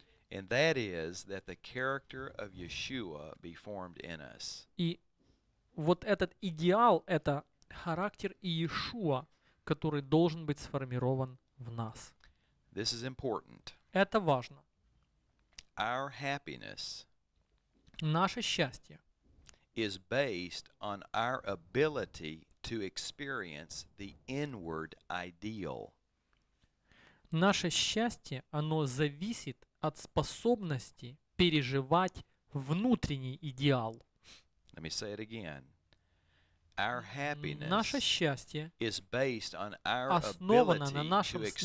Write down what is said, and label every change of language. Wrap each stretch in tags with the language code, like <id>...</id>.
<en>And that is that the character of Yeshua be formed in us.</en> <ru>И вот этот идеал — это характер Иешуа, который должен быть сформирован в нас.</ru> <en>This is important.</en> <ru>Это важно.</ru> <en>Our happiness,</en> <ru>наше счастье,</ru> <en>is based on our ability to experience the inward ideal.</en> <ru>Наше счастье, оно зависит от способности переживать внутренний идеал.</ru> <en>Let me say it again. Our happiness,</en> <ru>наше счастье,</ru> <en>is based on our</en> <ru>основано</ru> <en>ability</en> <ru>на нашем,</ru> <en>to experience</en>